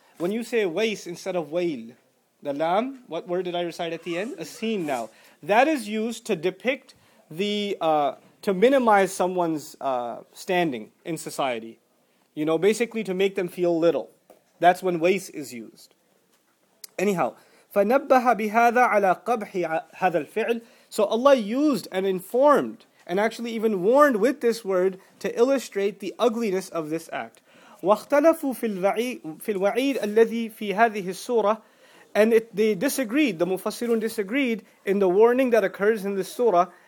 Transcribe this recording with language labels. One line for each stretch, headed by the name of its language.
English: When you say wais instead of wail, the lam, what word did I recite at the end? A seen now. That is used to depict to minimize someone's standing in society. You know, basically to make them feel little. That's when waste is used. Anyhow,
Arabic: فَنَبَّهَ بِهَذَا عَلَى قَبْحِ هَذَا الْفِعْلِ.
English: So Allah used and informed, and actually even warned with this word, to illustrate the ugliness of this act.
Arabic: وَاخْتَلَفُوا فِي الْوَعِيدِ الَّذِي فِي هَذِهِ السُّورَةِ.
English: And they disagreed, the Mufassirun disagreed, in the warning that occurs in this surah.